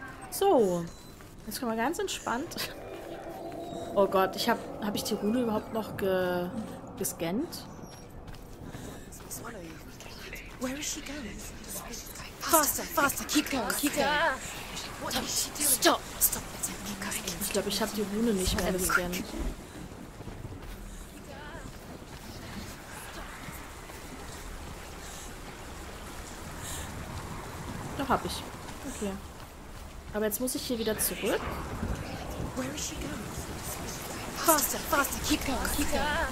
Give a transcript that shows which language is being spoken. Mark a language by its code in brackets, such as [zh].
[de] So, jetzt können wir ganz entspannt. Oh Gott, ich habe ich die Rune überhaupt noch gescannt? [en] Where is she going? Faster, faster, keep going, keep going. Stop, stop, stop. [de] Ich glaube, ich habe die Rune nicht mehr gescannt. Doch, habe ich. Okay. Aber jetzt muss ich hier wieder zurück. [en] Where is she going? Faster, faster, keep going, keep going.